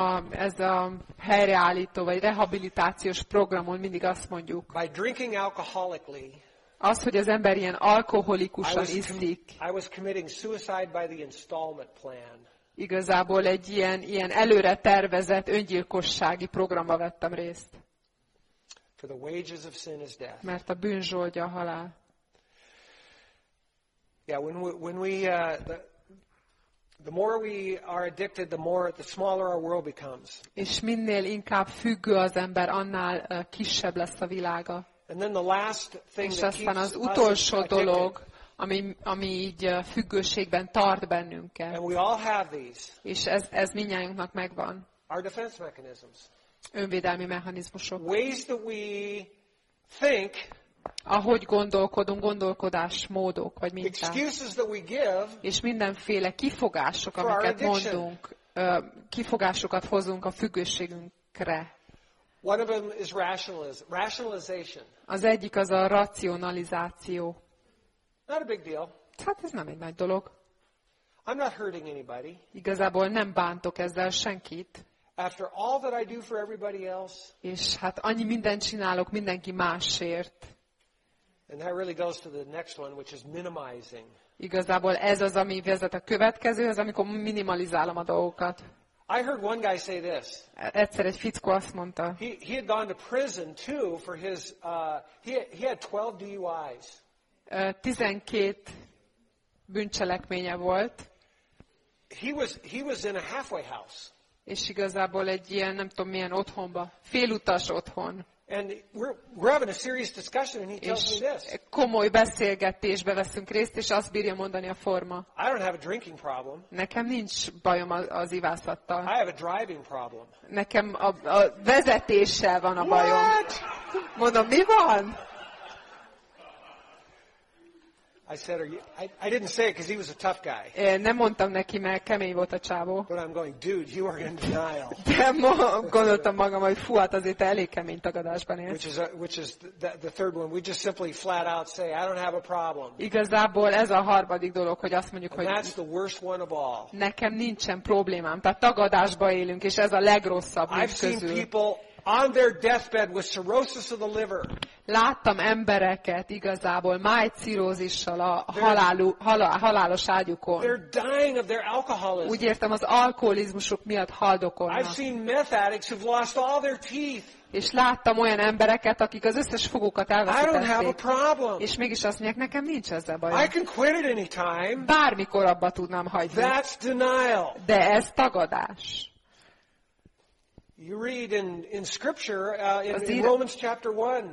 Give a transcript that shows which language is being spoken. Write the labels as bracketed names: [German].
[Hungarian] Ez a helyreállító vagy rehabilitációs programon mindig azt mondjuk. [English] By drinking alcoholically. [Hungarian] Az, hogy az ember ilyen alkoholikusan iszik. [English] I was committing suicide by the installment plan. [Hungarian] Igazából egy ilyen előre tervezett öngyilkossági programba vettem részt. [English] For the wages of sin is death. [Hungarian] Mert a bűn zsoldja a halál. [English] Yeah, the more we are addicted, the smaller our world becomes. [Hungarian] És minél inkább függő az ember, annál kisebb lesz a világa. [English] And then the last thing [Hungarian] és [English] that keeps [Hungarian] aztán az utolsó dolog, ami így függőségben tart bennünket. [English] And we all have these. [Hungarian] És ez mindnyájunknak megvan. [English] Our defense mechanisms. [Hungarian] Önvédelmi mechanizmusok. [English] Ways that we think. [Hungarian] Ahogy gondolkodunk, gondolkodásmódok, vagy minták. [English] Excuses that we give. [Hungarian] És mindenféle kifogások, amiket mondunk, kifogásokat hozunk a függőségünkre. [English] One of them is rationalization. [Hungarian] Az egyik az a racionalizáció. [English] Not a big deal. [Hungarian] Hát ez nem egy nagy dolog. [English] I'm not hurting anybody. [Hungarian] Igazából nem bántok ezzel senkit. [English] After all that I do for everybody else. [Hungarian] És hát annyi mindent csinálok mindenki másért. [English] And that really goes to the next one, which is minimizing. [Hungarian] Igazából ez az, ami vezet a következőhez, amikor minimalizálom a dolgokat. [English] I heard one guy say this. [Hungarian] Egyszer egy fickó azt mondta. [English] He had gone to prison too for his he had 12 DUIs. [Hungarian] 12 bűncselekménye volt. [English] He was in a halfway house. [Hungarian] És igazából egy ilyen, nem tudom milyen otthonba, félutas otthon. [English] And we're having a serious discussion, and he tells me this. [Hungarian] Komoly beszélgetésbe veszünk részt, és azt bírja mondani a forma. [English] I don't have a drinking problem. [Hungarian] Nekem nincs bajom az ivászattal. [English] I have a driving problem. [Hungarian] Nekem a vezetéssel van a bajom. [English] What? [Hungarian] Mondom, mi van? [English] I said, are you, I didn't say it because he was a tough guy. [Hungarian] Nem mondtam neki, mert kemény volt a csávó. [English] But I'm going, dude, you are in denial. [Hungarian] De gondoltam magam, hogy fú, hát azért elég kemény tagadásban élsz. [English] Which is the third one. We just simply flat out say, I don't have a problem. [Hungarian] Igazából ez a harmadik dolog, hogy azt mondjuk, hogy [English] that's the worst one of all. [Hungarian] Nekem nincsen problémám. Tehát tagadásba élünk, és ez a legrosszabb mind közül. [English] I've seen people on their deathbed with cirrhosis of the liver. [Hungarian] Láttam embereket igazából májcirrózissal a halálos ágyukon. [English] They're dying of their alcoholism. [Hungarian] Úgy értem, az alkoholizmusuk miatt haldokolnak. [English] I've seen meth addicts who've lost all their teeth. [Hungarian] És láttam olyan embereket, akik az összes fogukat elveszítették. [English] I don't have a problem. [Hungarian] És mégis azt mondják, nekem nincs ezzel bajom. [English] I can quit at any time. [Hungarian] Bármikor abba tudnám hagyni. [English] That's denial. [Hungarian] De ez tagadás. [English] You read in scripture in Romans chapter 1.